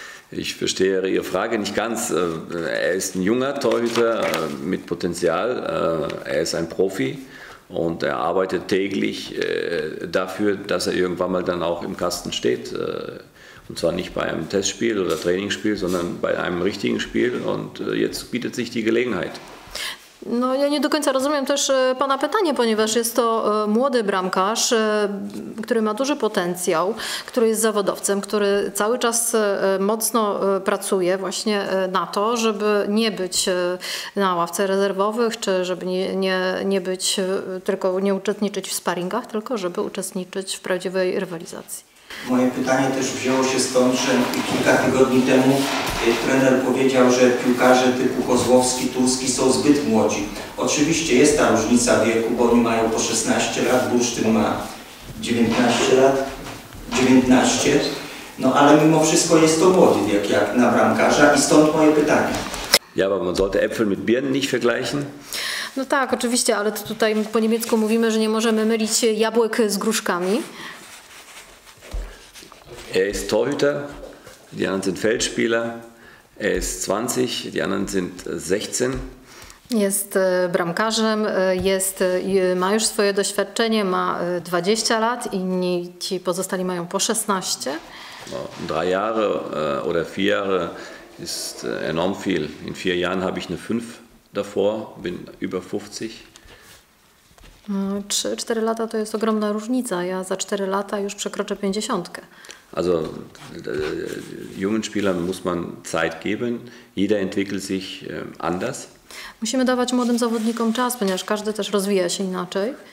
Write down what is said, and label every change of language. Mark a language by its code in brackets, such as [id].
[de] Ich verstehe Ihre Frage nicht ganz. Er ist ein junger Torhüter mit Potenzial. Er ist ein Profi und er arbeitet täglich dafür, dass er irgendwann mal dann auch im Kasten steht. Und zwar nicht bei einem Testspiel oder Trainingsspiel, sondern bei einem richtigen Spiel. Und jetzt bietet sich die Gelegenheit. [pl] No, ja nie do końca rozumiem też pana pytanie, ponieważ jest to młody bramkarz, który ma duży potencjał, który jest zawodowcem, który cały czas mocno pracuje właśnie na to, żeby nie być na ławce rezerwowych, czy żeby nie być, tylko nie uczestniczyć w sparingach, tylko żeby uczestniczyć w prawdziwej rywalizacji. Moje pytanie też wzięło się stąd, że kilka tygodni temu trener powiedział, że piłkarze typu Kozłowski, Turski są zbyt młodzi. Oczywiście jest ta różnica wieku, bo oni mają po 16 lat, Bursztyn ma 19 lat, 19, no ale mimo wszystko jest to młody wiek jak na bramkarza i stąd moje pytanie. [de] Ja, aber man sollte Äpfel mit Birnen nicht vergleichen. [pl] No tak, oczywiście, ale to tutaj po niemiecku mówimy, że nie możemy mylić jabłek z gruszkami. [de] Er ist Torhüter, die anderen sind Feldspieler. Er ist 20, die anderen sind 16. [pl] Jest bramkarzem, jest, ma już swoje doświadczenie, ma 20 lat, inni ci pozostali mają po 16. [de] Drei Jahre oder vier Jahre ist enorm viel. In vier Jahren habe ich eine 5 davor, bin über 50. [pl] 3-4 lata to jest ogromna różnica. Ja za 4 lata już przekroczę 50. [de] Also jungen Spielern muss man Zeit geben. Jeder entwickelt sich anders. [pl] Musimy dawać młodym zawodnikom czas, ponieważ każdy też rozwija się inaczej.